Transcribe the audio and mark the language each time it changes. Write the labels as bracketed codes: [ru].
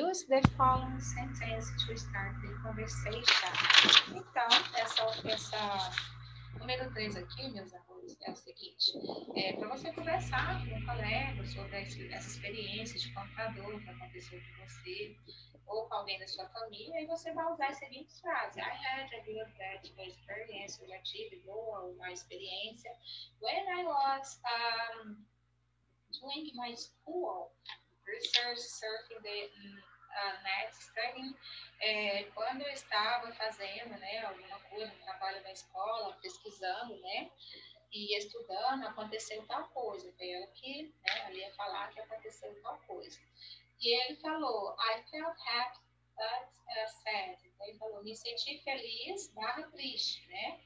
[en] Use the following sentence to start the conversation. [pt] Então, essa número 3 aqui, meus amores, é o seguinte: para você conversar com um colega sobre essa experiência de computador que aconteceu com você, ou com alguém da sua família, e você vai usar essa seguinte frase: [en] I had a good experience, [pt] eu já tive boa ou má experiência. [en] When I was doing my school research, surfing the net, studying, [pt] quando eu estava fazendo, né, alguma coisa, um trabalho na escola, pesquisando, né, e estudando, aconteceu tal coisa. Veio que, né, ali ia falar que aconteceu tal coisa. E ele falou, [en] I felt happy, but sad. [pt] Então, ele falou, me senti feliz, barra triste, né?